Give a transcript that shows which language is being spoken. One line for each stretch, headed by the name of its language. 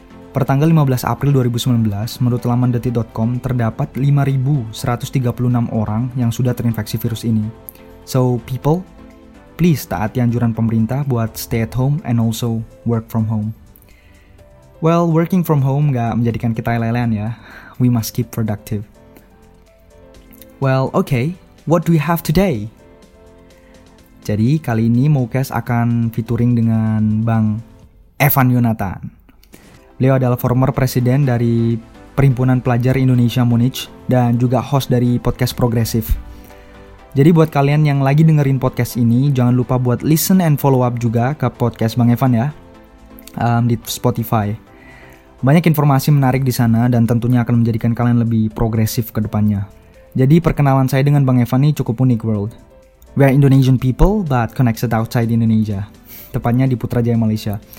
Indonesian: Pertanggal 15 April 2019, menurut laman detik.com, terdapat 5.136 orang yang sudah terinfeksi virus ini.
English: So, people, please
Indonesian: taati anjuran pemerintah buat
English: stay at home and also work from home. Well, working from home
Indonesian: gak menjadikan kita lelean ya.
English: We must keep productive. Well, okay, what do we have today?
Indonesian: Jadi, kali ini Mocas akan featuring dengan Bang Evan Yonatan. Beliau adalah former presiden dari Perhimpunan Pelajar Indonesia Munich dan juga host dari podcast Progresif. Jadi buat kalian yang lagi dengerin podcast ini, jangan lupa buat
English: listen and follow up
Indonesian: juga ke podcast Bang Evan ya, di Spotify. Banyak informasi menarik di sana dan tentunya akan menjadikan kalian lebih progresif ke depannya. Jadi perkenalan saya dengan Bang Evan ini cukup unik world.
English: We are Indonesian people but connected outside Indonesia,
Indonesian: tepatnya di Putrajaya, Malaysia.